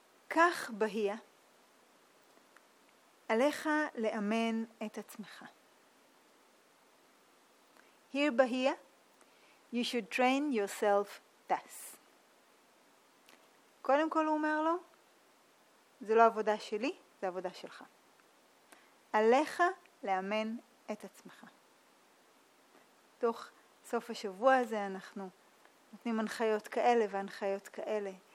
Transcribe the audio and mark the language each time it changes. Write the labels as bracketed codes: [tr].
[he] כך בהיה, עליך לאמן את עצמך. [en] Here [he] בהיה, [en] you should train yourself thus. [he] קודם כל הוא אומר לו, זה לא עבודה שלי, זה עבודה שלך. עליך לאמן את עצמך. תוך סוף השבוע הזה אנחנו נותנים הנחיות כאלה והנחיות כאלה.